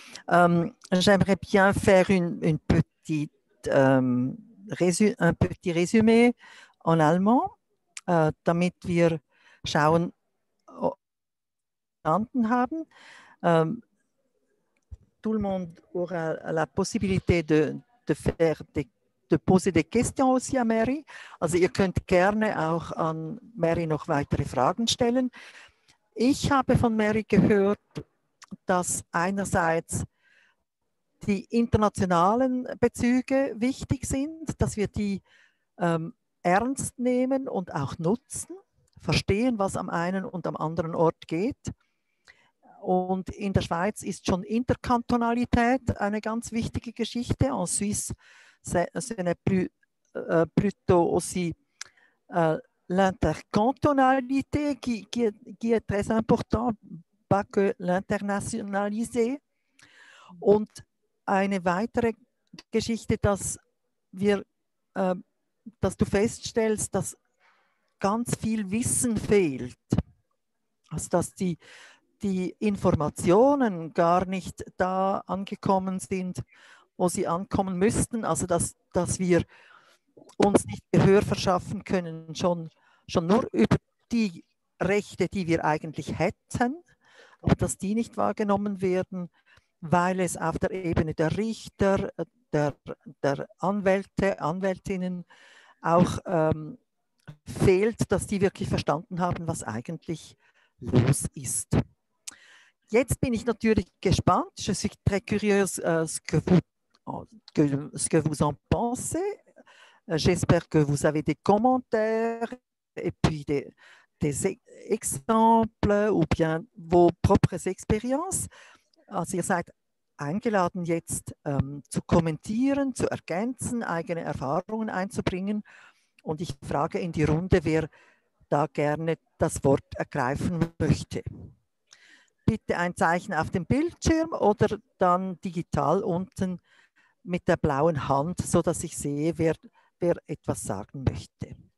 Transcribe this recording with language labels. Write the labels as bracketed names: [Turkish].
[French] J'aimerais bien faire un petit résumé en allemand, [German] damit wir schauen, haben. [French] Tout le monde aura la possibilité de poser des questions aussi à Mary. [German] Also ihr könnt gerne auch an Mary noch weitere Fragen stellen. Ich habe von Mary gehört, dass einerseits die internationalen Bezüge wichtig sind, dass wir die ernst nehmen und auch nutzen, verstehen, was am einen und am anderen Ort geht. Und in der Schweiz ist schon Interkantonalität eine ganz wichtige Geschichte. [French] En Suisse, ce n'est plus plutôt aussi l'intercantonalité qui est très important, pas que l'internationalisé. [German] Und eine weitere Geschichte, dass du feststellst, dass ganz viel Wissen fehlt. Also dass die Informationen gar nicht da angekommen sind, wo sie ankommen müssten. Also dass wir uns nicht Gehör verschaffen können, schon nur über die Rechte, die wir eigentlich hätten, aber dass die nicht wahrgenommen werden, weil es auf der Ebene der Richter, der Anwälte, Anwältinnen auch fehlt, dass die wirklich verstanden haben, was eigentlich los ist. Jetzt bin ich natürlich gespannt. [French] Je suis très curieuse ce que vous en pensez. J'espère que vous avez des commentaires et puis des exemples ou bien vos propres expériences. [German] Also ihr seid eingeladen, jetzt zu kommentieren, zu ergänzen, eigene Erfahrungen einzubringen. Und ich frage in die Runde, wer da gerne das Wort ergreifen möchte. Bitte ein Zeichen auf dem Bildschirm oder dann digital unten mit der blauen Hand, sodass ich sehe, wer etwas sagen möchte.